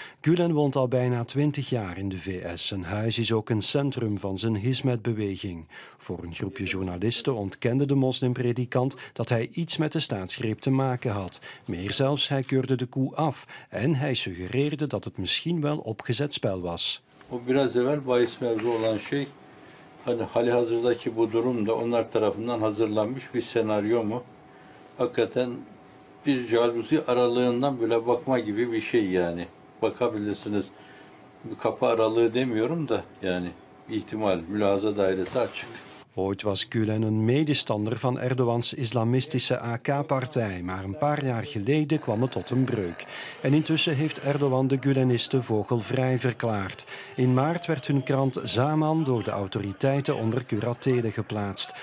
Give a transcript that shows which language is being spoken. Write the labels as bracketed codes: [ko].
[nl] Gülen woont al bijna 20 jaar in de VS. Zijn huis is ook een centrum van zijn Hizmet-beweging. Voor een groepje journalisten ontkende de moslimpredikant dat hij iets met de staatsgreep te maken had. Meer zelfs, hij keurde de coup af en hij suggereerde dat het misschien wel opgezet spel was. [tr] Op biraz evvel bahis mevzu olan şey. Hani halihazırdaki bu durum da onlar tarafından hazırlanmış bir senaryo mu? Hakikaten bir jaluzi aralığından böyle bakma gibi bir şey yani. Bakabilirsiniz. Bir kapı aralığı demiyorum da yani ihtimal mülahaza dairesi açık. [nl] Ooit was Gülen een medestander van Erdogans islamistische AK-partij, maar een paar jaar geleden kwam het tot een breuk. En intussen heeft Erdogan de Gülenisten vogelvrij verklaard. In maart werd hun krant Zaman door de autoriteiten onder curatele geplaatst.